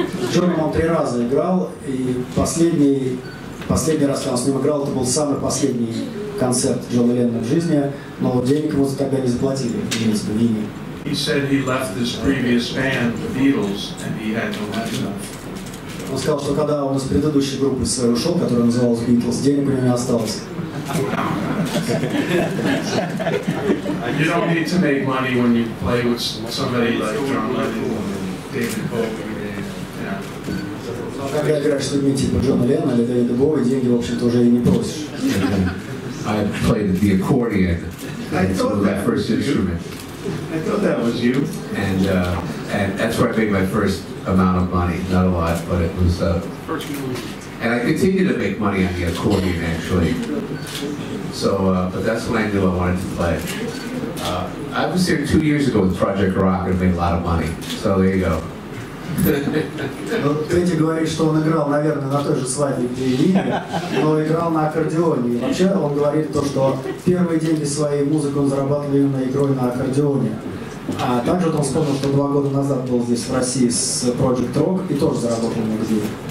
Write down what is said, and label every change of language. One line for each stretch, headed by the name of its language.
Russian: John Lennon
English: three
Russian: раза играл, и последний раз, когда он с ним играл, это был самый последний концерт Джона Леннона в жизни, но денег ему тогда не заплатили, в принципе, ни.
English: He said he left his previous band, the Beatles, and he had no money.
Russian: Он сказал, что когда он из предыдущей группы своей ушел, которая называлась Beatles, денег у него не осталось.
English: You don't need to make money when you play with somebody like John Lennon, David Bowie. Yeah.
Russian: Когда играешь с людьми типа Джона Леннона или Дэвида Боуи, деньги, в общем-то, уже и не просишь.
English: I played the accordion. It was my first instrument. I thought that was you. And that's where I made my first amount of money. Not a lot, but it was... And I continued to make money on the accordion, actually. So, but that's when I knew I wanted to play. I was here 2 years ago with Project Rock and made a lot of money. So there you go.
Russian: Вот Петя говорит, что он играл, наверное, на той же свадьбе, где и Линя, но играл на аккордеоне. И вообще он говорит то, что первые деньги своей музыки он зарабатывал именно игрой на аккордеоне. А также вот он вспомнил, что 2 года назад был здесь в России с Project Rock и тоже заработал много денег.